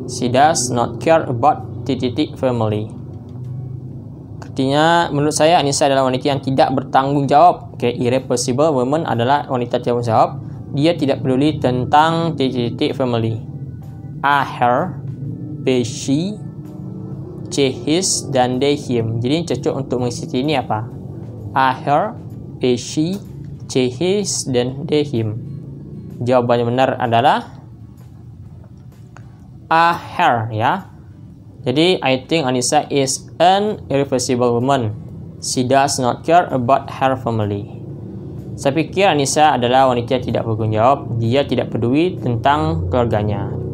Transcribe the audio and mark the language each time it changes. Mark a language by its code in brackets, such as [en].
[en] She does not care about [id] titik-titik [en] family. [id] Artinya, menurut saya Anissa adalah wanita yang tidak bertanggung jawab. Okay, [en] irresponsible woman [id] adalah wanita tidak bertanggung jawab. Dia tidak peduli tentang titik-titik family. A, her. B, she. C, his. Dan D, him. Jadi, cocok untuk mengisi ini apa? A, her. B, she. C, his. Dan D, him. Jawabannya benar adalah A, her. Ya. [en] Jadi, I think Anissa is an irresponsible woman. She does not care about her family. [id] Saya pikir Anissa adalah wanita yang tidak bertanggung jawab. Dia tidak peduli tentang keluarganya.